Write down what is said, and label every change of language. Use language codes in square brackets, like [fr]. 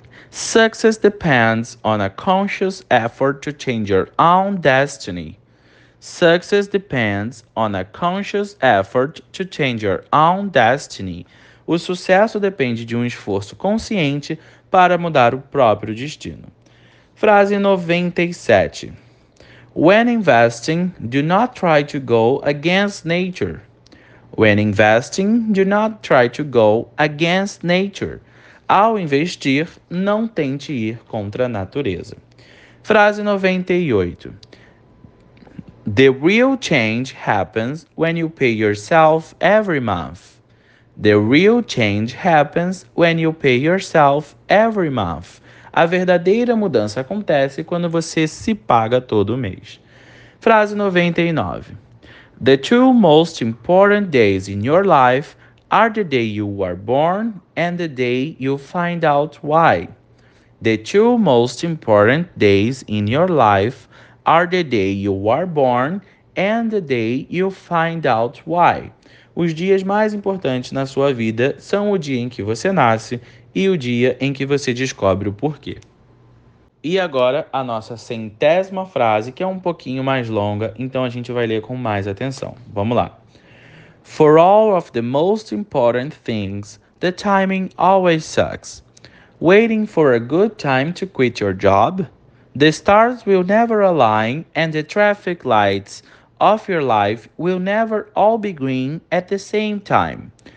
[en] Success depends on a conscious effort to change your own destiny. Success depends on a conscious effort to change your own destiny. [pt] O sucesso depende de um esforço consciente para mudar o próprio destino. Frase 97. [en] When investing, do not try to go against nature. When investing, do not try to go against nature. [pt] Ao investir, não tente ir contra a natureza. Frase 98. [en] The real change happens when you pay yourself every month. The real change happens when you pay yourself every month. [pt] A verdadeira mudança acontece quando você se paga todo mês. Frase 99. [en] The two most important days in your life are the day you are born and the day you find out why. The two most important days in your life are the day you are born and the day you find out why. [pt] Os dias mais importantes na sua vida são o dia em que você nasce e o dia em que você descobre o porquê. E agora a nossa centésima frase, que é um pouquinho mais longa, então a gente vai ler com mais atenção. Vamos lá. [en] For all of the most important things, the timing always sucks. Waiting for a good time to quit your job, the stars will never align and the traffic lights of your life will never all be green at the same time.